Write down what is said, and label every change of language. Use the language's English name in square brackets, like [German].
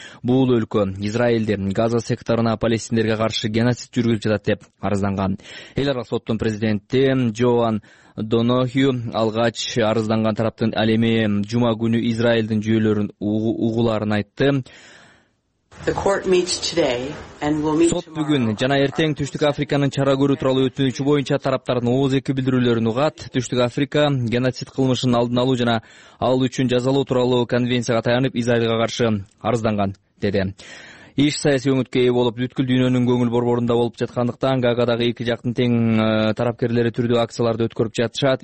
[Kyrgyz] Бул өлкө Израилдин Газа секторуна палестиндерге каршы геноцид жүргүзүп жатат деп арызданган. Эл аралык соттун президенти Джоан Донохью алгач арызданган тараптын ал эми жума күнү Израилдин жүйөлөрүн угуларын айтты. [English] The court meets today and will meet tomorrow. [Kyrgyz] Сот бүгүн жана эртең Түштүк Африканын чара көрүү тууралуу өтүнүчү боюнча тараптардын ооз эки билдирүүлөрүн угат. Түштүк Африка геноцид кылмышынын алдын алуу жана ал үчүн жазалоо тууралуу конвенцияга таянып Израилге каршы арызданган деди. Иш саясий өңүткө ээ болуп, бүткүл дүйнөнүн көңүл борборунда болуп жаткандыктан Гаагадагы эки жактын тең тарапкерлери түрдүү акцияларды өткөрүп жатышат.